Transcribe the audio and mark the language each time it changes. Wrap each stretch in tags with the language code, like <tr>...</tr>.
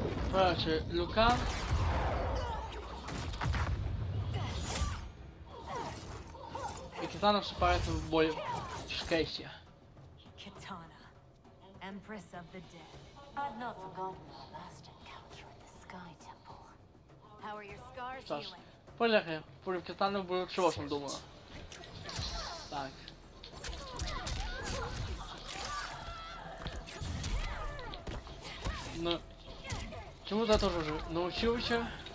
<ru>Короче, Люка. И Китана вступает в бой с Кейси.</ru> <en>Китана, Empress of the Dead. I've not forgotten our last encounter at the Sky Temple. How are your scars healing?</en> <ru>Полегче. Против Китана буду чего там думала. Так. Ну, чему-то я тоже уже научился.</ru>